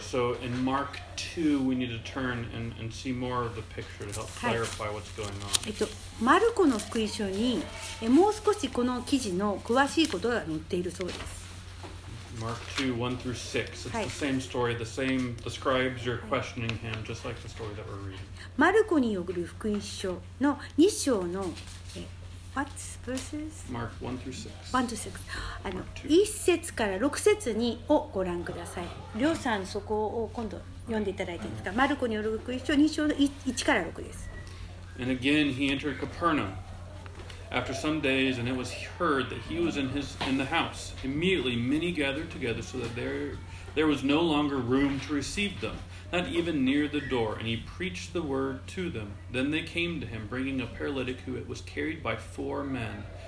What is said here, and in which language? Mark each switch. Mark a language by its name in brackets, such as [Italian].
[English] So in Mark 2, we need to turn and see more of the picture to help clarify what's going on. [Japanese] マルコの福音書にもう少しこの記事の詳しいことが載っているそうです。 [English] Mark 2:1 through 6. It's the same story. The same. The scribes are questioning him, just like the story that we're reading. [Japanese] マルコによる福音書の2章の [English] What verses? Mark 1 through 6. 1 through 6. [Japanese] 1節から6節にをご覧ください。両さんそこを今度読んでいただいていいですか。マルコによる福音書2章の1から6です。 [English] And again, he entered Capernaum. After some days, and it was heard that he was in the house. Immediately, many gathered together so that there There was no longer room to receive them, not even near the door, and he preached the word to them. Then they came to him, bringing a paralytic who was carried by four men.